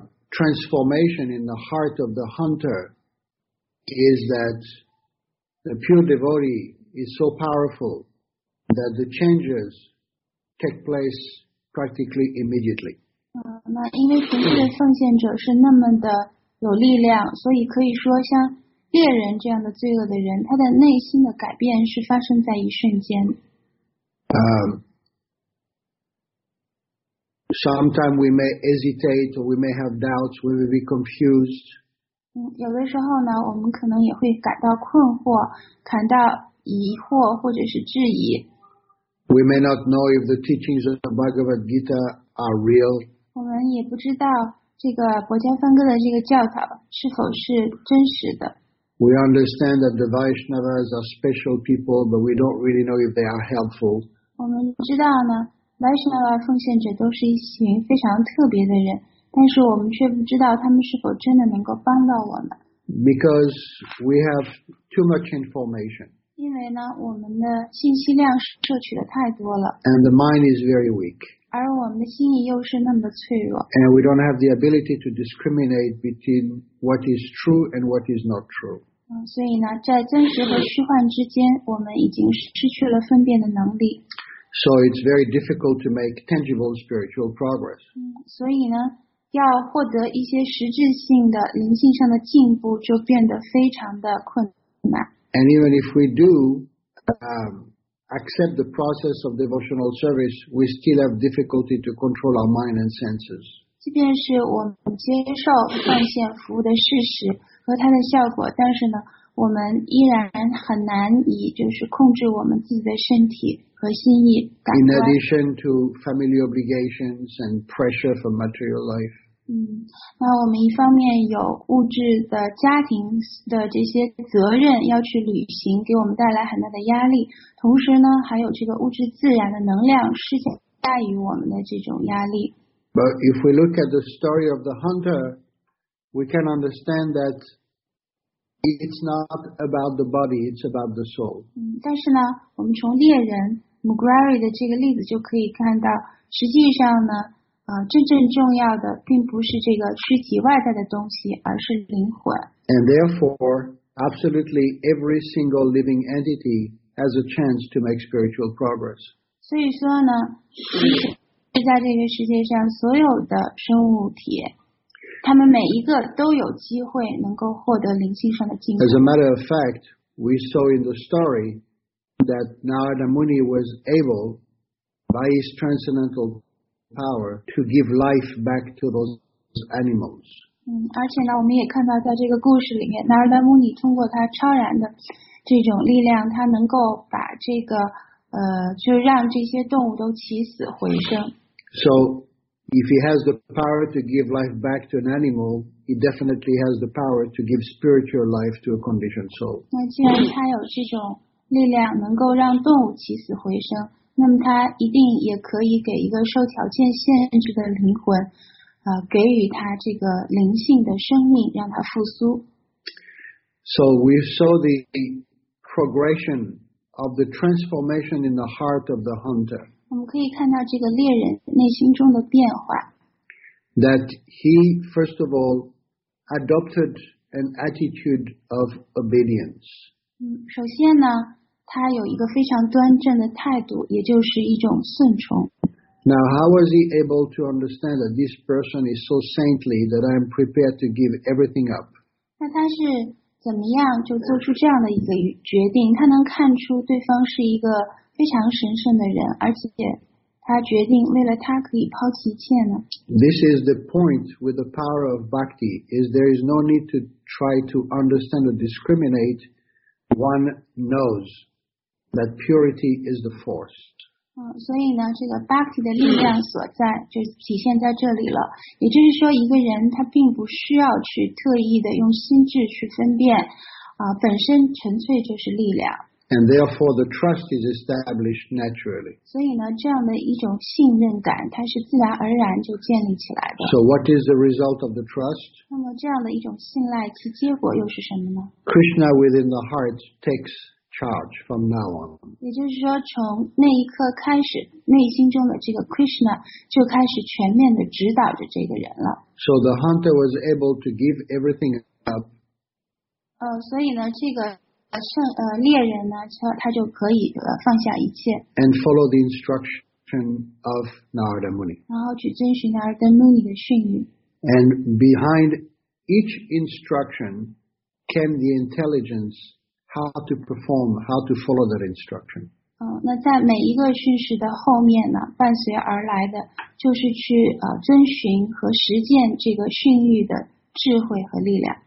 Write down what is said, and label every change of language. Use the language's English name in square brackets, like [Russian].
[English] Transformation in the heart of the hunter is that the pure devotee is so powerful that the changes take place practically immediately. [Chinese] 那因为纯粹的奉献者是那么的有力量，所以可以说像猎人这样的罪恶的人，他的内心的改变是发生在一瞬间。 [English] Sometimes we may hesitate or we may have doubts, we may be confused. [Chinese] 有的时候呢，我们可能也会感到困惑，感到疑惑或者是质疑。 [English] We may not know if the teachings of the Bhagavad Gita are real. [Chinese] 我们也不知道这个薄伽梵歌的这个教导是否是真实的。 [English] We understand that the Vaishnavas are special people, but we don't really know if they are helpful. [Chinese] 我们知道呢 ，Vaishnava 奉献者都是一群非常特别的人，但是我们却不知道他们是否真的能够帮到我们。 [English] Because we have too much information. [Chinese] 因为呢，我们的信息量摄取的太多了。 [English] And the mind is very weak. [Chinese] 而我们的心里又是那么脆弱。 [English] And we don't have the ability to discriminate between what is true and what is not true. [Chinese] 所以呢，在真实和虚幻之间，我们已经失去了分辨的能力。 [English] So it's very difficult to make tangible spiritual progress. [Chinese] 所以呢，要获得一些实质性的灵性上的进步，就变得非常的困难。 [English] And even if we do, accept the process of devotional service, we still have difficulty to control our mind and senses. [Chinese] 即便是我们接受奉献服务的事实和它的效果，但是呢，我们依然很难以就是控制我们自己的身体。 [English] In addition to family obligations and pressure for material life. [Chinese] 那我们一方面有物质的家庭的这些责任要去履行，给我们带来很大的压力。同时呢，还有这个物质自然的能量施加于我们的这种压力。 [English] But if we look at the story of the hunter, we can understand that it's not about the body, it's about the soul. [Chinese] 但是呢，我们从猎人 McGrary 的这个例子就可以看到，实际上呢，真正重要的并不是这个躯体外在的东西，而是灵魂。 [English] And therefore, absolutely every single living entity has a chance to make spiritual progress. [Chinese] 所以说呢，在这个世界上所有的生物体他们每一个都有机会能够获得灵性上的进步。 [English] As a matter of fact, we saw in the story that Narada Muni was able, by his transcendental power, to give life back to those animals. [Chinese] 而且呢，我们也看到在这个故事里面 ，Narada Muni 通过他超然的这种力量，他能够把这个就让这些动物都起死回生。 [English] So. If he has the power to give life back to an animal, he definitely has the power to give spiritual life to a conditioned soul. [Chinese] 那既然他有这种力量能够让动物起死回生，那么他一定也可以给一个受条件限制的灵魂，给予他这个灵性的生命，让他复苏。 [English] So we saw the progression of the transformation in the heart of the hunter. [Chinese] 我们可以看到这个猎人内心中的变化。 [English] That he, first of all, adopted an attitude of obedience. [Chinese] 首先呢，他有一个非常端正的态度，也就是一种顺从。 [English] Now, how was he able to understand that this person is so saintly that I am prepared to give everything up? [Chinese] 那他是怎么样就做出这样的一个决定？他能看出对方是一个非常神圣的人，而且他决定为了他可以抛弃一切呢。 [English] This is the point with the power of bhakti, is there is no need to try to understand or discriminate. One knows that purity is the force. [Chinese] 所以呢，这个 bhakti 的力量所在就体现在这里了。也就是说，一个人他并不需要去特意的用心智去分辨，本身纯粹就是力量。 [English] And therefore, the trust is established naturally. [Chinese] 所以呢，这样的一种信任感，它是自然而然就建立起来的。 [English] So, what is the result of the trust? [Chinese] 那么，这样的一种信赖，其结果又是什么呢？ [English] Krishna within the heart takes charge from now on. [Chinese] 也就是说，从那一刻开始，内心中的这个 Krishna 就开始全面的指导着这个人了。 [English] So, the hunter was able to give everything up. [Chinese] 所以呢，这个。猎人呢，他就可以放下一切 [English] ，and follow the instruction of Narada Muni， [Chinese] 然后去遵循 Narada Muni 的训谕。 [English] And behind each instruction came the intelligence how to perform, how to follow that instruction。 [Chinese] 那在每一个训示的后面呢，伴随而来的就是去遵循和实践这个训谕的智慧和力量。